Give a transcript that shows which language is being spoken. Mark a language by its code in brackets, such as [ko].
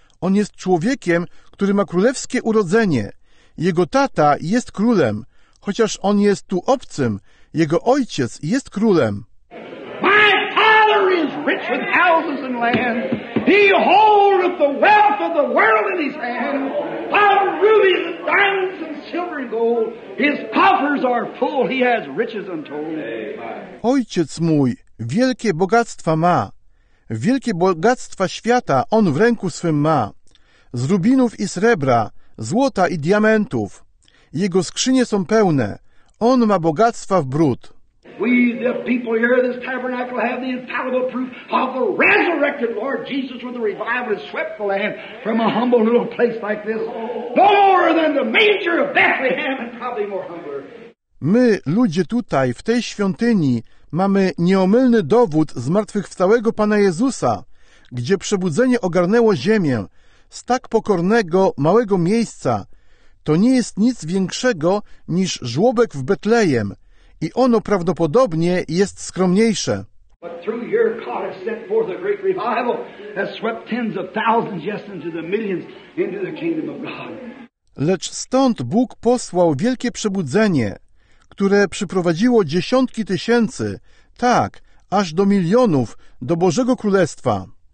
[pl] On jest człowiekiem, który ma królewskie urodzenie. Jego tata jest królem. Chociaż on jest tu obcym, jego ojciec jest królem. [en] My father is rich with houses and land. He holds the wealth of the world in his hand. Father rubies and diamonds and silver and gold. His coffers are full. He has riches untold. [pl] Ojciec mój wielkie bogactwa ma. Wielkie bogactwa świata on w ręku swym ma. Z rubinów i srebra, złota i diamentów. Jego skrzynie są pełne. On ma bogactwa w bród. [en] We, the people here in this tabernacle, have the infallible proof of the resurrected Lord Jesus with the revival that swept the land from a humble little place like this. No more than the manger of Bethlehem and probably more humbler. [pl] My, ludzie tutaj, w tej świątyni, mamy nieomylny dowód zmartwychwstałego Pana Jezusa, gdzie przebudzenie ogarnęło ziemię z tak pokornego, małego miejsca. To nie jest nic większego niż żłobek w Betlejem i ono prawdopodobnie jest skromniejsze. [en] But through here God has set forth a great revival that swept tens of thousands, yes, into the millions, into the kingdom of God. [pl] Lecz stąd Bóg posłał wielkie przebudzenie, które przyprowadziło dziesiątki tysięcy, tak, aż do milionów, do Bożego Królestwa.